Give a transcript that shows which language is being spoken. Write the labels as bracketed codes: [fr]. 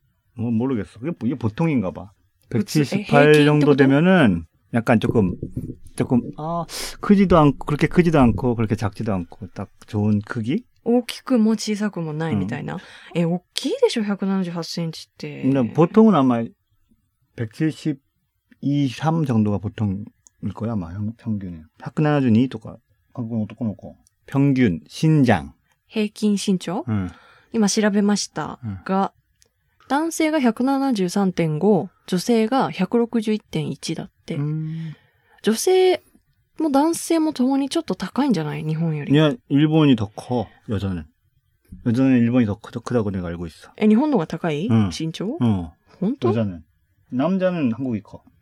[ja] お顔、色が白くて、ちょっと、工藤飛鳥っぽい。工藤飛鳥。日本のね、俳優さん、似てるなと思って。太陽の末裔の人だよね。身長が178センチだそうですよ、ウィキペディアでは。なんとかって。オッパと一緒だね。韓国人は大体178や。4人いるだけじゃない。そうなの?そんな法則ある。もう、 [ko] 모르겠어。 [ja] やっぱ、 [ko] 보통인가봐。 178 정도 되면은 약간 조금 크지도 않고 그렇게 크지도 않고 그렇게 작지도 않고 딱 좋은 크기? [ja] 大きくも小さくもないみたいな。え、大きいでしょ178センチって。 [ko] 근데 보통은 아마 172, 3 정도가 보통일 거야, 아마 평균에. 172 [ja] とか [ko] 한국 어떤 거고 평균 신장. 평균 신장? 응. [ja] 今調べましたが 男性が 173.5、 女性が 161.1 だって。女性も男性もともにちょっと高いんじゃない?日本より。いや、日本にとか、 [ko] 여자는。 여자는일본이더크다고내가알고있어。 [ja] え、日本の方が高い?身長?うん。本当?여자는。男性の方が高い?